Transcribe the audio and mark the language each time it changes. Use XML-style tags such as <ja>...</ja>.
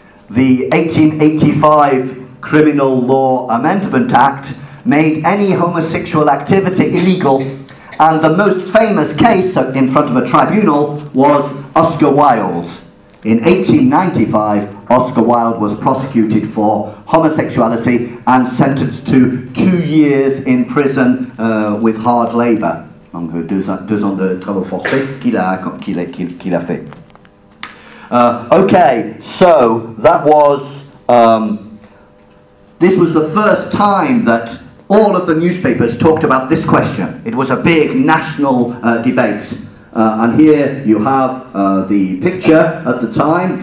<en>The 1885 Criminal Law Amendment Act made any homosexual activity illegal, and the most famous case in front of a tribunal was Oscar Wilde. In 1895, Oscar Wilde was prosecuted for homosexuality and sentenced to 2 years in prison with hard labour.</en> <fr>Donc deux ans de travaux forcés qu'il a fait.</fr> <en>Okay, so that was this was the first time that all of the newspapers talked about this question. It was a big national debate. And here you have the picture at the time.</en>